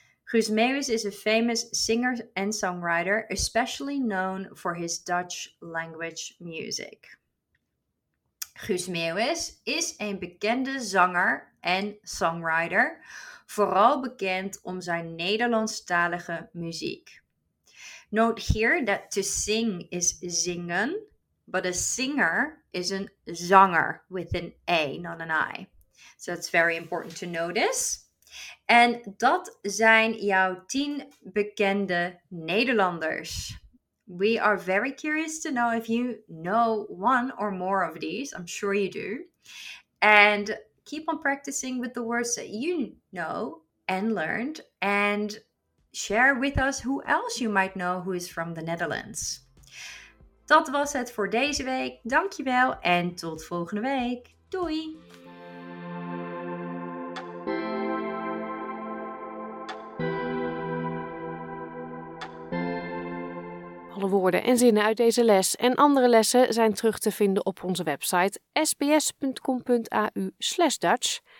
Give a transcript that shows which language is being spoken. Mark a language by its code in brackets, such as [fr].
[en] Guus Meeuwis is a famous singer and songwriter, especially known for his Dutch language music. [nl] Guus Meeuwis is een bekende zanger en songwriter, vooral bekend om zijn Nederlandstalige muziek. [en] Note here that to sing is zingen, but a singer is a zanger with an A, not an I. So that's very important to notice. [nl] En dat zijn jouw 10 bekende Nederlanders. [en] We are very curious to know if you know one or more of these. I'm sure you do. And keep on practicing with the words that you know and learned. And share with us who else you might know who is from the Netherlands. [nl] Dat was het voor deze week. Dankjewel en tot volgende week. Doei! Alle woorden en zinnen uit deze les en andere lessen zijn terug te vinden op onze website sbs.com.au/dutch.